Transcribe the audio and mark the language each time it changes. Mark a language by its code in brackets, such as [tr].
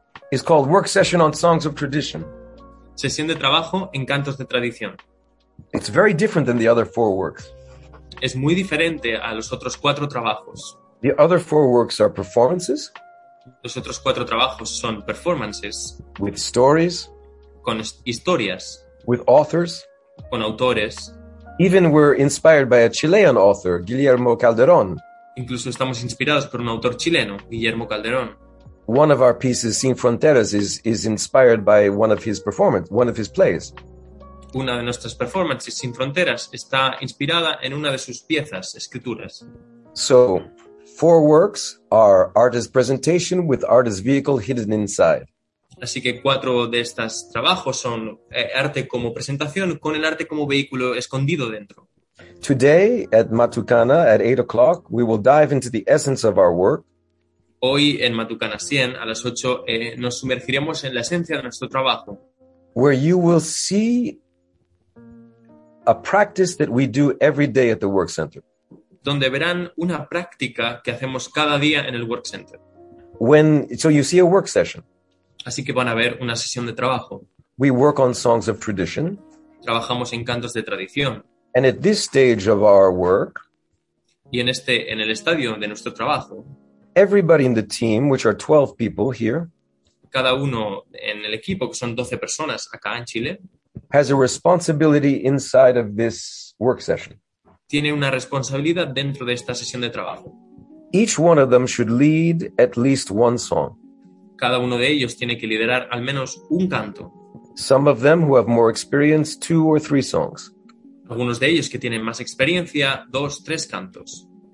[en] is called Work Session on Songs of Tradition. [es] Sesión de trabajo en cantos de tradición. [en] It's very different than the other four works. [es] Es muy diferente a los otros cuatro trabajos. [en] The other four works are performances. [es] Los otros cuatro trabajos son performances. [en] With stories. [es] Con historias. [en] With authors. [es] Con autores. [en] Even we're inspired by a Chilean author, Guillermo Calderón. [es] Incluso estamos inspirados por un autor chileno, Guillermo Calderón. [en] One of our pieces, Sin Fronteras, is inspired by one of his plays. [es] Una de nuestras performances, Sin Fronteras, está inspirada en una de sus piezas, escrituras. [en] So, four works are artist presentation with artist vehicle hidden inside. [es] Así que cuatro de estos trabajos son arte como presentación con el arte como vehículo escondido dentro. [en] Today at Matucana at 8 o'clock we will dive into the essence of our work. [es] Hoy en Matucana 100 a las 8 nos sumergiremos en la esencia de nuestro trabajo. [en] Where you will see a practice that we do every day at the work center. [es] Donde verán una práctica que hacemos cada día en el work center. [en] When, so you see a work session. [es] Así que van a ver una sesión de trabajo. [en] We work on songs of tradition. [es] Trabajamos en cantos de tradición. [en] And at this stage of our work, [es] y en este, en el estadio de nuestro trabajo, [en] everybody in the team, which are 12 people here, [es] cada uno en el equipo, que son 12 personas acá en Chile, [en] has a responsibility inside of this work session. [es] Tiene una responsabilidad dentro de esta sesión de trabajo. [en] Each one of them should lead at least one song. [es] Cada uno de ellos tiene que liderar al menos un canto. [en] Some of them who have more experience, 2 or 3 songs. [es] Algunos de ellos que tienen más experiencia, 2, 3 cantos.